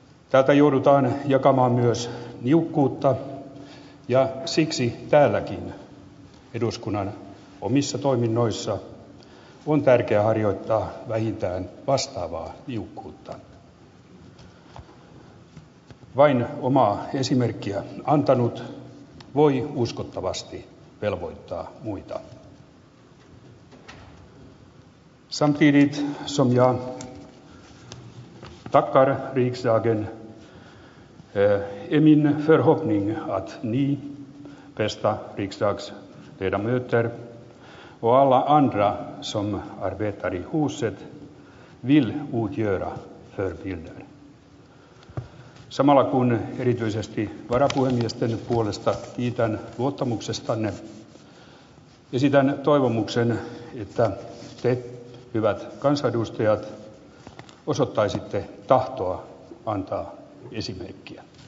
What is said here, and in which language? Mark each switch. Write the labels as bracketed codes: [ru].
[fi] Täältä joudutaan jakamaan myös niukkuutta, ja siksi täälläkin eduskunnan omissa toiminnoissa on tärkeää harjoittaa vähintään vastaavaa niukkuutta. Vain omaa esimerkkiä antanut voi uskottavasti velvoittaa muita. [sv] Samtidigt som jag tackar riksdagen är min förhoppning att ni, bästa riksdagsledamöter och alla andra som arbetar i huset vill utgöra förbilder. [fi] Samalla kun erityisesti varapuhemiesten puolesta kiitän luottamuksestanne, Esitän toivomuksen, että te, hyvät kansanedustajat, osoittaisitte tahtoa antaa esimerkkiä.